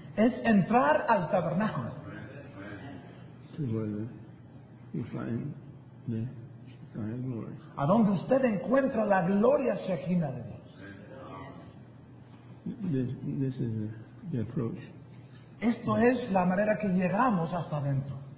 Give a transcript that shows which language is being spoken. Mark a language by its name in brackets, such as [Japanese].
[Spanish] Es entrar al tabernáculo. [English] To where you find the Shekinah glory. [Spanish] A donde usted encuentra la gloria Shekinah de Dios. [English] This is the approach. [Spanish] Esto es la manera que llegamos hasta adentro.